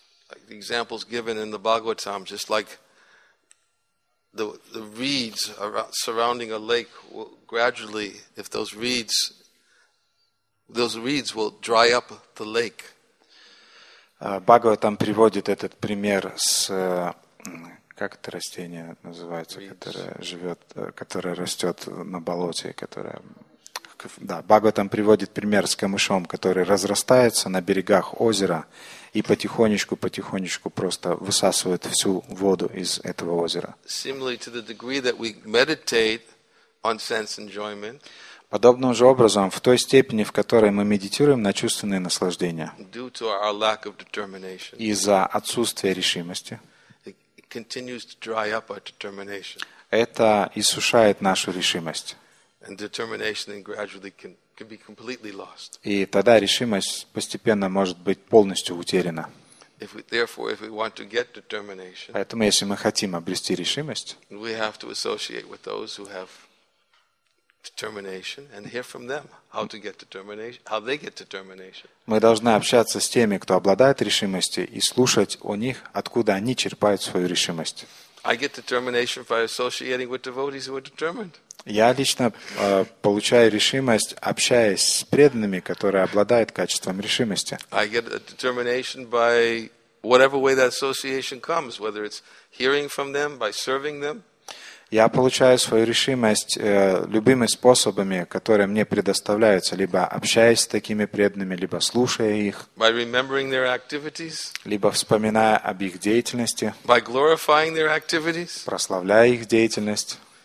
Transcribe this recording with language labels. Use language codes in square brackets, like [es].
[en] Like the examples given in the Bhagavatam, just like the reeds surrounding a lake will gradually, if those reeds will dry up the lake. [ru] Бхагаватам приводит этот пример с как это растение называется, reeds, которое живет, которое растет на болоте, которое. Да, Бхагаватам приводит пример с камышом, который разрастается на берегах озера и потихонечку просто высасывает всю воду из этого озера. [en] Similarly to the degree that we meditate on sense enjoyment. [ru] Подобным же образом, в той степени, в которой мы медитируем на чувственные наслаждения, [en] due to our lack of determination, [ru] из-за отсутствия решимости, [en] it continues to dry up our determination. [ru] Это иссушает нашу решимость. [en] And determination gradually can be completely lost. [ru] И тогда решимость постепенно может быть полностью утеряна. [en] If we want to get determination, [ru] поэтому, если мы хотим обрести решимость, [en] we have to associate with those who have determination and hear from them how to get determination, how they get determination. [ru] Мы должны общаться с теми, кто обладает решимостью, и слушать у них, откуда они черпают свою решимость. [en] I get determination by associating with devotees who are determined. [ru] Я лично получаю решимость, общаясь с преданными, которые обладают качеством решимости. [en] I get a determination by whatever way that association comes, whether it's hearing from them, by serving them. [ru] Я получаю свою решимость любыми способами, которые мне предоставляются, либо общаясь с такими преданными, либо слушая их, [en] by remembering their activities, [ru] либо вспоминая об их деятельности, [en] by glorifying their activities, [ru] прославляя их деятельность.